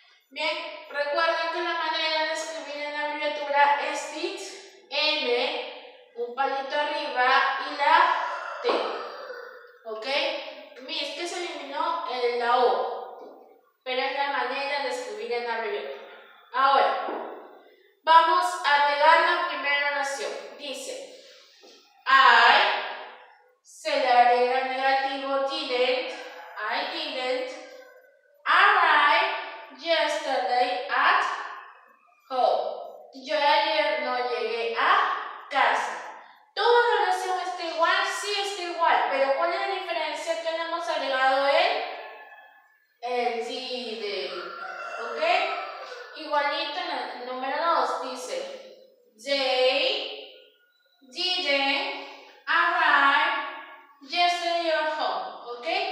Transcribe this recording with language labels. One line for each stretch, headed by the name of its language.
Spanish: Bien, recuerden que la manera de escribir en la abreviatura es dit, n, un palito arriba y la t, ¿ok? Mira, es que se eliminó la o, pero es la manera de escribir en la abreviatura. Ahora, vamos a negar la primera oración. Dice,
English: I,
Spanish: se le agrega negativo,
English: didn't, I didn't, arrived yesterday at home.
Spanish: Yo ayer no llegué a casa. Toda la oración está igual, sí está igual, pero ¿cuál es la diferencia? Que le hemos agregado el didn't, ¿ok? Igualito en el número 2, dice,
English: they didn't arrive yesterday at home,
Spanish: ¿ok?